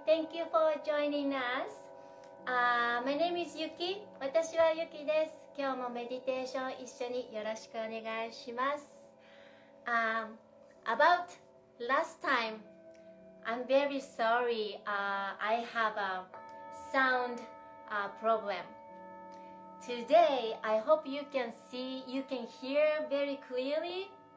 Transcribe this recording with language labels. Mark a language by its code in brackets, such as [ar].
[en] Thank you for joining us.、my name is Yuki. [ja] 私は Yuki です。今日もメディテーション一緒によろしくお願いします。 [en] About last time, I'm very sorry.、I have a sound、problem. Today, I hope you can see, you can hear very clearly.